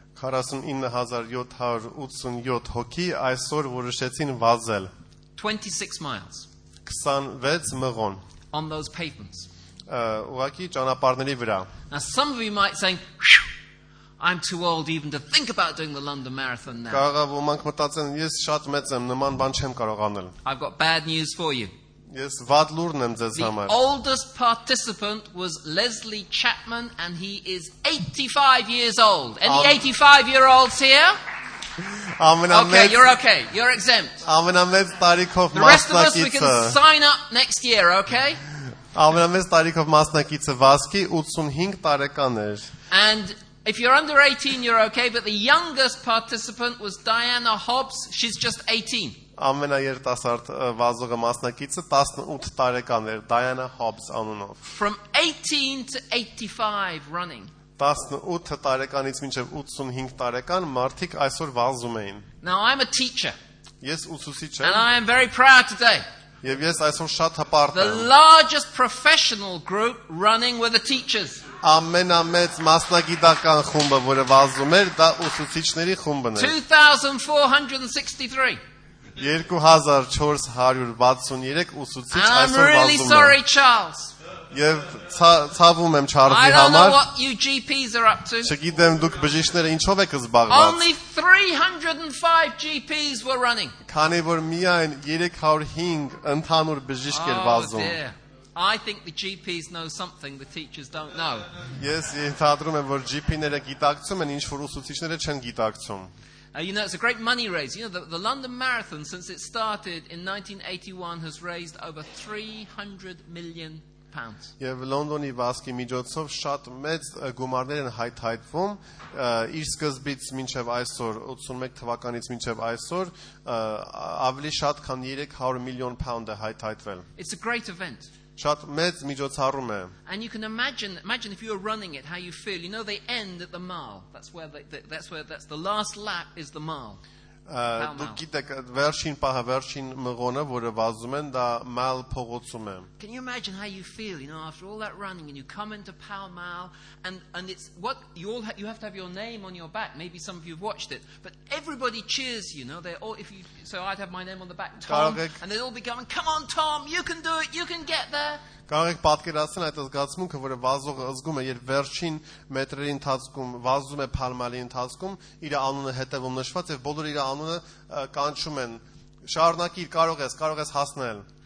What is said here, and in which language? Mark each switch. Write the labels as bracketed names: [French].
[Armenian] 49,787 հոգի այսօր որոշեցին վազել. [English] 26 miles. [Armenian] 26 մղոն. [English] On those pavements. [Armenian] Ուղղակի ճանապարհների վրա. [English] Now some of you might say, I'm too old even to think about doing the London Marathon now. [Armenian] Կարող եմ ոմանք մտածեն, ես շատ մեծ եմ, նման բան չեմ կարողանալ. [English] I've got bad news for you. [Armenian] Ես վատ լուրն եմ ձեզ համար. [English] The oldest participant was Leslie Chapman and he is 85 years old. Any 85 year olds here? Okay, you're okay. You're exempt. [Armenian] Ամենամեծ տարիքով մասնակիցը. [English] The rest of us, we can sign up next year, okay? [Armenian] Ամենամեծ տարիքով մասնակիցը վազքի 85 տարեկան էր. [English] And if you're under 18 you're okay, but the youngest participant was Diana Hobbs, she's just 18. [Armenian] Ամենաերտասարդ վազողը մասնակիցը 18 տարեկան էր, Diana Hobbs անունով. [English] From 18 to 85 running. [Armenian] 18 տարեկանից մինչև 85 տարեկան մարդիկ այսօր վազում էին. [English] Now I'm a teacher. [Armenian] Ես ուսուցիչ եմ. [English] And I am very proud today. [Armenian] Եվ ես այսօր շատ հպարտ եմ. [English] The largest professional group running with the teachers. [Armenian] Ամենամեծ մասնագիտական խումբը, որը վազում էր, դա ուսուցիչների խումբն էր. [English] 2463. [Armenian] 2463 ուսուցիչ [English] And [Armenian] այսօր վազում [English] really sorry, Charles. [Armenian] Եվ ցավում եմ Չարլզի համար։ Չգիտեմ դուք բժիշկները ինչով եք զբաղված։ [English] Only 305 GPs were running. [Armenian] Քանի որ միայն 305 ընդհանուր բժիշկ էր վազում։ [English] I think the GPs know something the teachers don't know. [Armenian] Ես ենթադրում եմ, որ GP-ները գիտակցում են ինչ որ ուսուցիչները չեն գիտակցում։ [English] You know, it's a great money raise. You know, the London Marathon, since it started in 1981, has raised over 300 million [Armenian] Եվ Լոնդոնի վազքի միջոցով շատ մեծ գումարներ են հայթայթվում իր սկզբից մինչև այսօր 81 թվականից մինչև այսօր ավելի շատ քան 300 միլիոն pound է հայթայթվել։ [English] It's a great event. [Armenian] Շատ մեծ միջոցառում է։ [English] And you can imagine if you were running it how you feel. You know they end at the mile. That's where the last lap is the mile. [Armenian] դուք գիտեք վերջին պահը, վերջին մղոնը, որը վազում են, դա Mal փողոցում է. [English] Can you imagine how you feel, you know, after all that running and you come into Pall Mall and it's what you all you have to have your name on your back. Maybe some of you have watched it, but everybody cheers, you know. They all if you so I'd have my name on the back, Tom, and they'd all be going, "Come on Tom, you can do it. You can get there." [Armenian] Կարող եք պատկերացնել այդ զգացմունքը, որը վազողը ազգում է, երբ վերջին մետրերի ընթացքում վազում է Pall Mall-ի ընթացքում, իր անունը հետևում նշված եւ բոլորը իր անունը կանչում են. Շարունակիր, կարող ես հասնել.